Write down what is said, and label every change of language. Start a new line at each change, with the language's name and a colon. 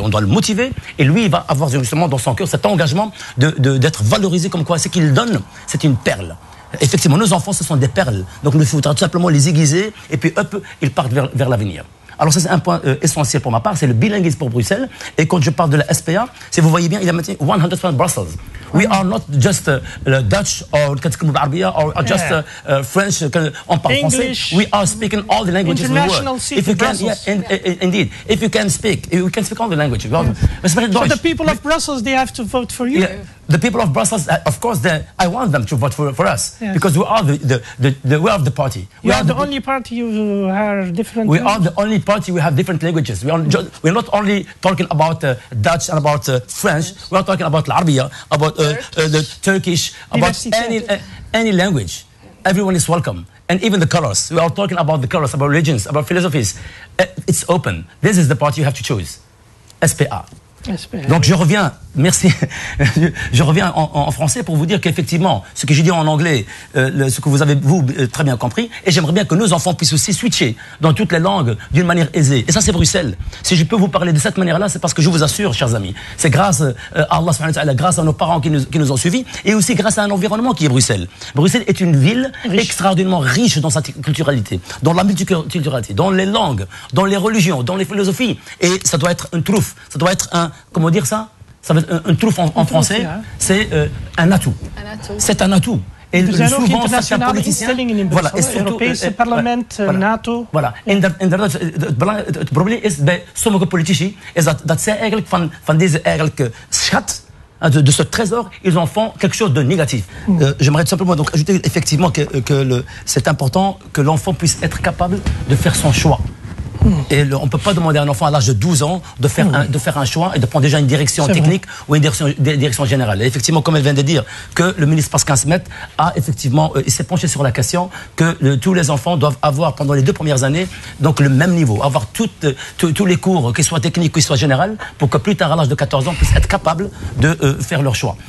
French: On doit le motiver et lui, il va avoir justement dans son cœur cet engagement d'être valorisé comme quoi ce qu'il donne, c'est une perle. Effectivement, nos enfants, ce sont des perles. Donc, il faudra tout simplement les aiguiser et puis hop, ils partent vers l'avenir. Alors ça, c'est un point essentiel pour ma part, c'est le bilinguisme pour Bruxelles. Et quand je parle de la SPA, si vous voyez bien, il y a maintenant 100% Brussels.
English: We are not just Dutch or Arabia or just French.
French: On parle
English: English,
French: français.
English: We are speaking all the languages in the world. International seat if you Brussels. Can, indeed. If you can speak, we can speak all the languages. Yes. So the people of Brussels, they have to vote for you. Yeah. The people of Brussels, of course, I want them to vote for us. Yes. Because we are the we are the party. We are the only party who are different. We are the only party who have different languages. We are not only talking about Dutch and about French. Yes. We are talking about Arabia, about the Turkish, about any language. Everyone is welcome. And even the colors. We are talking about the colors, about religions, about philosophies. It's open. This is the part you have to choose. SPA.
French: Donc je reviens, merci, je reviens en français pour vous dire qu'effectivement, ce que j'ai dit en anglais, ce que vous avez vous très bien compris, et j'aimerais bien que nos enfants puissent aussi switcher dans toutes les langues d'une manière aisée. Et ça c'est Bruxelles. Si je peux vous parler de cette manière-là, c'est parce que je vous assure, chers amis, c'est grâce à Allah subhanahu wa ta'ala, grâce à nos parents qui nous ont suivis, et aussi grâce à un environnement qui est Bruxelles. Bruxelles est une ville riche. Extraordinairement riche dans sa culturalité, dans la multiculturalité, dans les langues, dans les religions, dans les philosophies. Et ça doit être une truffe, ça doit être un... Comment dire ça? Ça veut dire un truffe en français, c'est un atout. Un atout. C'est un atout. Et souvent, c'est un politicien. Voilà, et surtout, ce parlement, NATO. Voilà.
Dutch: En dat het probleem is bij sommige politici is dat zij eigenlijk van deze eigenlijk schat de
French: ce trésor, ils en font quelque chose de négatif. J'aimerais simplement donc ajouter effectivement que c'est important que l'enfant puisse être capable de faire son choix. Et on ne peut pas demander à un enfant à l'âge de 12 ans de faire un choix et de prendre déjà une direction c'est technique vrai. Ou une direction générale. Et effectivement, comme elle vient de dire, que le ministre Pascal Smet a effectivement, il s'est penché sur la question que tous les enfants doivent avoir pendant les deux premières années donc le même niveau, avoir tous les cours, qu'ils soient techniques ou qu'ils soient généraux, pour que plus tard, à l'âge de 14 ans, puissent être capables de faire leur choix.